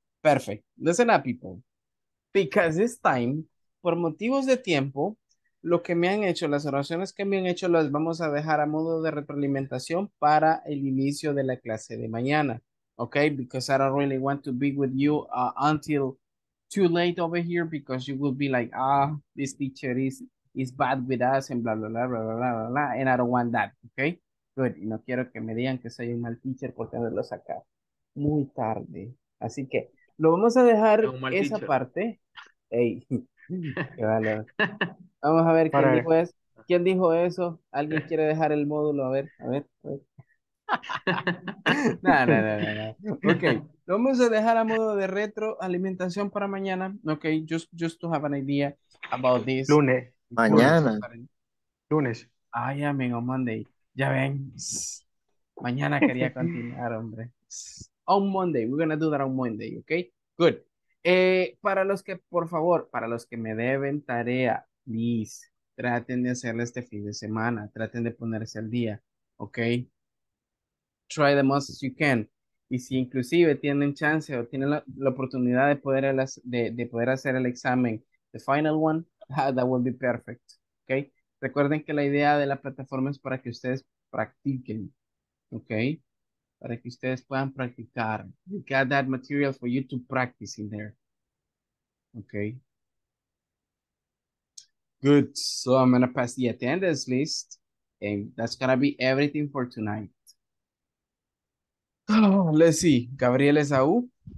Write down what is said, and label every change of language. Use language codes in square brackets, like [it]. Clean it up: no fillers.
[en] Perfect. Listen up, people. Because this time, [es] por motivos de tiempo, lo que me han hecho, las oraciones que me han hecho, las vamos a dejar a modo de retroalimentación para el inicio de la clase de mañana. [en] Okay, because I don't really want to be with you until too late over here because you will be like, this teacher is bad with us and blah, blah, blah, blah, blah, blah, blah, and I don't want that, okay? [es] Good, y no quiero que me digan que soy un mal teacher por tenerlo acá muy tarde. Así que lo vamos a dejar esa parte. Hey. Qué vale. Vamos a ver quién dijo eso. ¿Alguien quiere dejar el módulo? A ver. No. Ok, lo vamos a dejar a modo de retroalimentación para mañana. [en] Ok, just to have an idea about this. [es] Lunes. Mañana. Lunes. Ay, amigo, Monday. Ya ven. Mañana quería continuar, hombre. [en] On Monday. We're going to do that on Monday. Ok, good. [es] Para los que, por favor, para los que me deben tarea, please, traten de hacerla este fin de semana, traten de ponerse al día, ¿ok? [en] Try the most as you can. [es] Y si inclusive tienen chance o tienen la oportunidad de poder hacer el examen, [en] the final one, that will be perfect, [es] ¿ok? Recuerden que la idea de la plataforma es para que ustedes practiquen, ¿ok? Para que ustedes puedan practicar. [en] You got that material for you to practice in there. Okay. Good. So I'm going to pass the attendance list. And that's going to be everything for tonight. Oh, let's see. Gabriel Esaú.